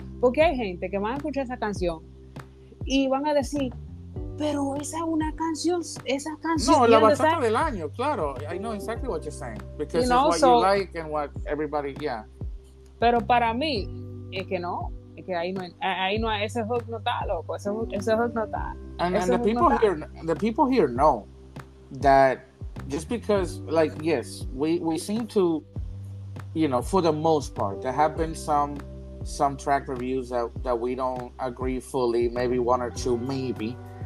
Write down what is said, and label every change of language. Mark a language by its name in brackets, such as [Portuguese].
[Spanish] Porque hay gente que van a escuchar esa canción y van a decir, pero esa es una canción, esa canción. No, la bachata del año, claro. [English] I know exactly what you're saying. Because you know, it's what you like and what everybody, yeah. [Spanish] Pero para mí, es que no. Es que ahí no hay, ese hook no está, loco. Ese hook no está. [English] And the people here know that just because, like, yes, we seem to, you know, for the most part, there have been some track reviews that we don't agree fully, maybe one or two, maybe.